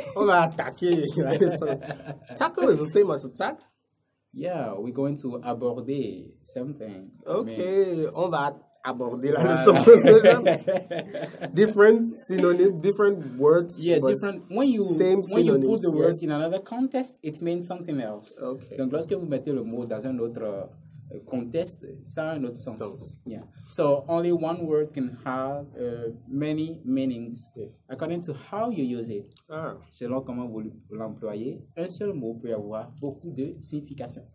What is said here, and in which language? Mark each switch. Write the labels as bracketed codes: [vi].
[fr] On va attaquer la leçon. [en] Tackle is the same as attack. Yeah, we're going to aborder something. [fr] Okay. On va aborder la leçon aujourd'hui. [en] Different synonyms, different words. Yeah, different. When you, same when synonyms, you put the words in another context, it means something else. Okay. [fr] Donc, lorsque vous mettez le mot dans un autre... contest, ça a un autre sens. Yeah. [en] So only one word can have many meanings according to how you use it. [fr] Selon comment vous l'employez, un seul mot peut avoir beaucoup de significations.